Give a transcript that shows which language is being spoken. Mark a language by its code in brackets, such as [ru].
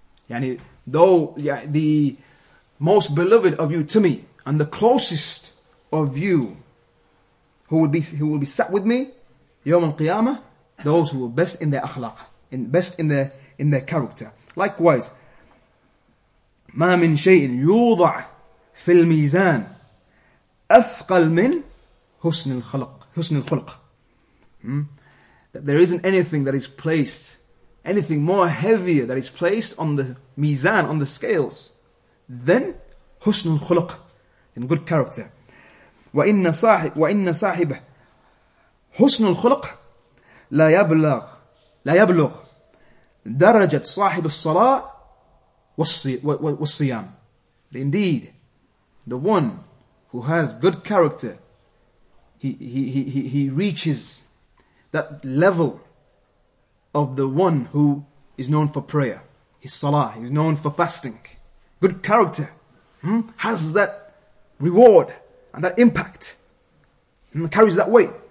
[en] يعني the most beloved of you to me and the closest of you who will be sat with me [ar] يوم القيامة, [en] those who are best in their أخلاق, best in their character. Likewise, [ar] ما من شيء يوضع في الميزان أثقل من حسن الخلق. [en] There isn't anything that is placed, anything more heavier that is placed on the mizan, on the scales, than حسن الخلق, in good character. [ar] وإن صاحب حسن الخلق لا يبلغ درجة صاحب الصلاة والصيام. [en] Indeed, the one who has good character, he reaches that level of the one who is known for prayer, his salah, he's known for fasting. Good character has that reward and that impact, and carries that weight.